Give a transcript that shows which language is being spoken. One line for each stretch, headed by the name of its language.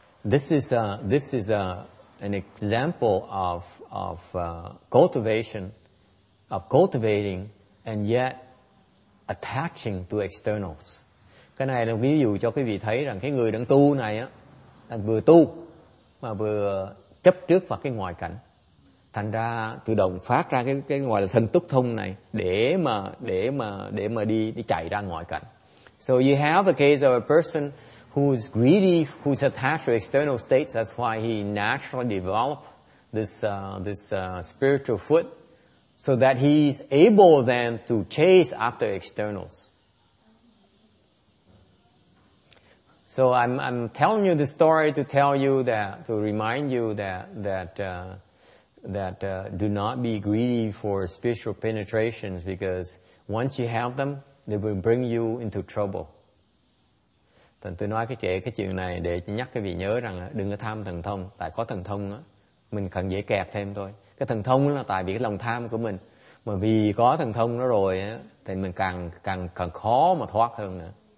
English: This is an example of cultivating and yet attaching to externals.
Vietnamese: Cái này là ví dụ cho quý vị thấy rằng cái người đang tu này á, đang vừa tu mà vừa chấp trước vào cái ngoại cảnh. Thành ra tự động phát ra cái ngoài là thân túc thông này để mà đi chạy ra ngoại cảnh.
English: So you have a case of a person who's greedy, who's attached to external states. That's why he naturally developed this spiritual foot, so that he's able then to chase after externals. So I'm telling you this story to tell you that, to remind you that do not be greedy for spiritual penetrations, because once you have them, they will bring you into trouble.
Vietnamese: Thành tôi nói cái chuyện này để nhắc cái vị nhớ rằng đừng có tham thần thông, tại có thần thông á, mình cần dễ kẹt thêm thôi. Cái thần thông là tại vì cái lòng tham của mình, mà vì có thần thông nó rồi á, thì mình càng khó mà thoát hơn nữa.